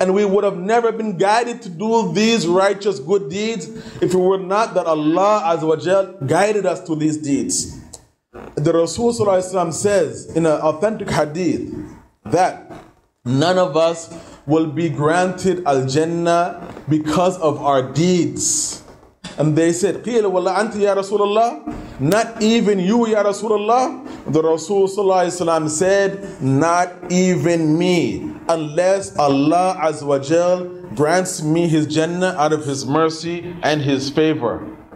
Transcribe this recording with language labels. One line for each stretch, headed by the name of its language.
English: And we would have never been guided to do these righteous good deeds if it were not that Allah Azza wa Jal guided us to these deeds. The Rasul Sallallahu Alaihi Wasallam says in an authentic hadith that none of us will be granted Al-Jannah because of our deeds. And they said,
Arabic: قِيلَ وَلَّا أَنْتِ يَا رَسُولَ اللَّهِ.
English: Not even you, Ya Rasulullah. The Rasul Sallallahu Alaihi Wasallam said, not even me, unless Allah Azza wa Jal grants me His Jannah out of His mercy and His favor.